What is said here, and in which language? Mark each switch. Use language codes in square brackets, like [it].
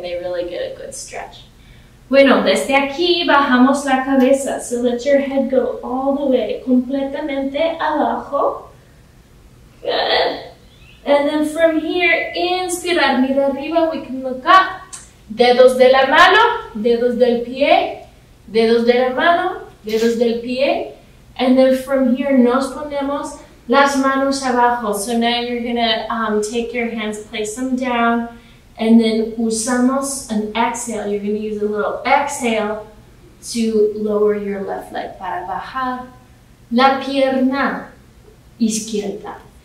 [en] They really get a good stretch. [es] Bueno, desde aquí bajamos la cabeza. [en] So let your head go all the way, [es] completamente abajo. [en] Good. And then from here, [es] inspirar, mira arriba, [en] we can look up. [es] Dedos de la mano, dedos del pie, dedos de la mano, dedos del pie. [en] And then from here, [es] nos ponemos las manos abajo. [en] So now you're gonna take your hands, place them down, and then usamos an exhale. You're gonna use a little exhale to lower your left leg. [es] Para bajar la pierna izquierda.